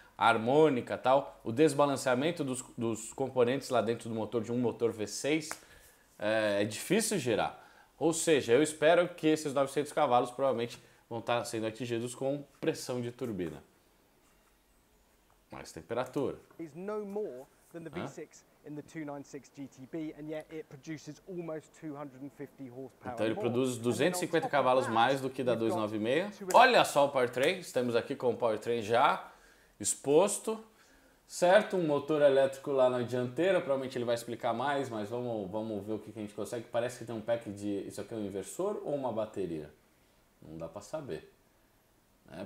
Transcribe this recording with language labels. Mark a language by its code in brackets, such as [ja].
[pt] A harmônica e tal. O desbalanceamento dos componentes lá dentro do motor de um motor V6 é difícil girar. Ou seja, eu espero que esses 900 cavalos provavelmente vão estar sendo atingidos com pressão de turbina. Mais temperatura. [en] Is no more than the V6 in the 296 GTB and yet it produces almost 250 horsepower. [pt] Então ele produz 250 cavalos mais do que da 296. Olha só o powertrain, estamos aqui com o powertrain já exposto. Certo, um motor elétrico lá na dianteira, provavelmente ele vai explicar mais, mas vamos ver o que a gente consegue. Parece que tem um pack de. Isso aqui é um inversor ou uma bateria? Não dá para saber, né?